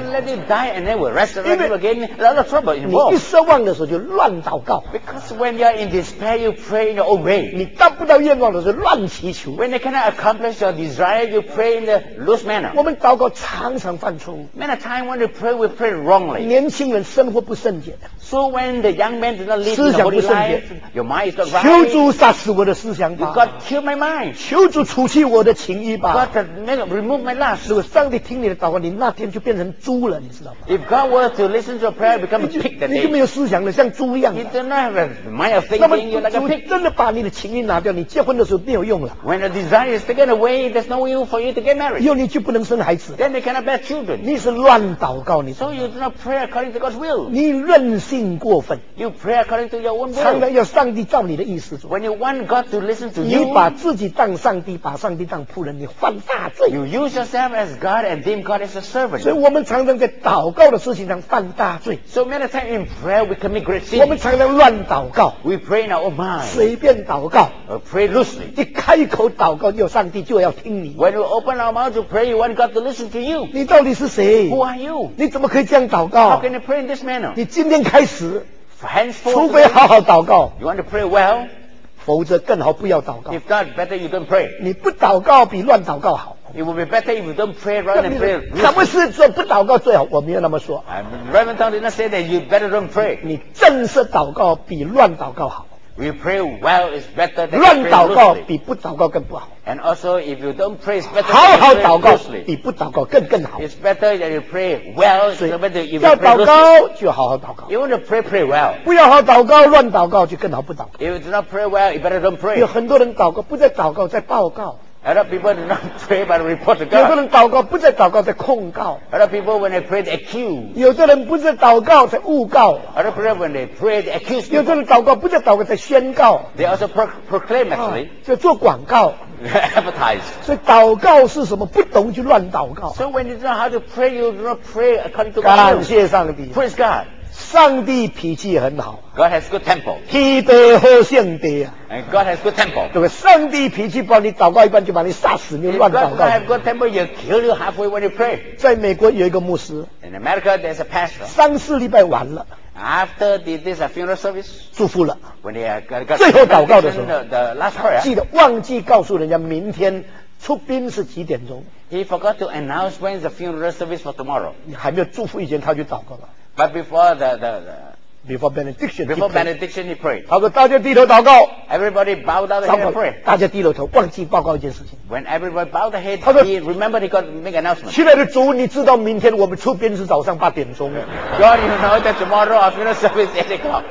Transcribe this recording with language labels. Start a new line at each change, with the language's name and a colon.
English: God, let me die and then we'll resurrect you again. A lot of trouble involved.
Chinese: 你一失望的时候就乱祷告。
English: Because when you're in despair, you pray in your own way.
Chinese: 你达不到愿望的时候乱祈求。
English: When you cannot accomplish your desire, you pray in a loose manner.
Chinese: 我们祷告常常犯错。
English: Many times when you pray, we pray wrongly.
Chinese: 年轻人生活不圣洁。
English: So when the young man did not live the holy life, your mind is not right.
Chinese: 求主杀死我的思想吧。
English: You got to kill my mind.
Chinese: 求主除去我的情欲吧。
English: You got to remove my lust.
Chinese: 如果上帝听你的祷告，你那天就变成猪了，你知道吗？
English: If God were to listen to your prayer, become a pig that day.
Chinese: 你就没有思想了，像猪一样。
English: You do not have a mind of thinking.
Chinese: 那么主真的把你的情欲拿掉，你结婚的时候没有用了。
English: When the desire is taken away, there's no use for you to get married.
Chinese: 以后你就不能生孩子。
English: Then you cannot bear children.
Chinese: 你是乱祷告，你。
English: So you do not pray according to God's will.
Chinese: 你任性。过分
English: you pray according to your own will.
Chinese: 常常要上帝照你的意思做。
English: When you want God to listen to you,
Chinese: 你把自己当上帝，把上帝当仆人，你犯大罪。
English: You use yourself as God and deem God as a servant.
Chinese: 所以我们常常在祷告的事情上犯大罪。
English: So many times in prayer we commit great sin.
Chinese: 我们常常乱祷告。
English: We pray in our own mind.
Chinese: 随便祷告。
English: Pray loosely.
Chinese: 一开口祷告，有上帝就要听你。
English: When you open our mouth to pray, you want God to listen to you.
Chinese: 你到底是谁？
English: Who are you?
Chinese: 你怎么可以这样祷告？
English: How can you pray in this manner?
Chinese: 你今天开始。
English: Henceforth,
Chinese: 除非好好祷告
English: you want to pray well,
Chinese: 否则更好不要祷告
English: if not, better you don't pray.
Chinese: 你不祷告比乱祷告好
English: It would be better if you don't pray rather than pray
Chinese: 什么事做不祷告最好我没有那么说
English: Reverend Tong did not say that you better don't pray.
Chinese: 你正式祷告比乱祷告好
English: We pray well is better than pray
Chinese: 乱祷告比不祷告更不好
English: And also if you don't pray it's better
Chinese: 好好祷告比不祷告更好
English: It's better that you pray well is better if you pray
Chinese: 要祷告就好好祷告
English: You want to pray, pray well
Chinese: 不要好祷告乱祷告就更好不祷告
English: If you do not pray well, you better don't pray
Chinese: 有很多人祷告不在祷告在报告
English: A lot of people do not pray but report to God
Chinese: 有的人祷告不在祷告在控告
English: A lot of people when they pray, they accuse
Chinese: 有的人不在祷告在诬告
English: A lot of people when they pray, they accuse
Chinese: 有的人祷告不在祷告在宣告
English: They also proclaim actually
Chinese: 就做广告
English: Advertise.
Chinese: 所以祷告是什么？不懂就乱祷告。
English: So when you don't know how to pray, you do not pray according to God.
Chinese: 感谢上帝。
English: Praise God.
Chinese: 上帝脾气很好。
English: God has good temper.
Chinese: 脾气好性地。
English: And God has good temper.
Chinese: 对不对？上帝脾气不好，你祷告一半就把你杀死，你乱祷告。
English: If God has good temper, he'll kill you halfway when you pray.
Chinese: 在美国有一个牧师。
English: In America, there's a pastor.
Chinese: 三四礼拜完了。
English: After this funeral service,
Chinese: 祝福了。
English: When they got
Chinese: 最后祷告的时候
English: the last prayer,
Chinese: 记得忘记告诉人家明天出殡是几点钟。
English: He forgot to announce when the funeral service for tomorrow.
Chinese: 还没有祝福以前他就祷告了。
English: But before the before benediction, before benediction he prayed.
Chinese: 他说大家低头祷告。
English: Everybody bowed down and prayed.
Chinese: 大家低头忘记报告一件事情。
English: When everybody bowed their head, he remembered he got to make announcement.
Chinese: 亲爱的主，你知道明天我们出殡是早上八点钟。
English: God, you know that tomorrow our funeral service is 8 o'clock.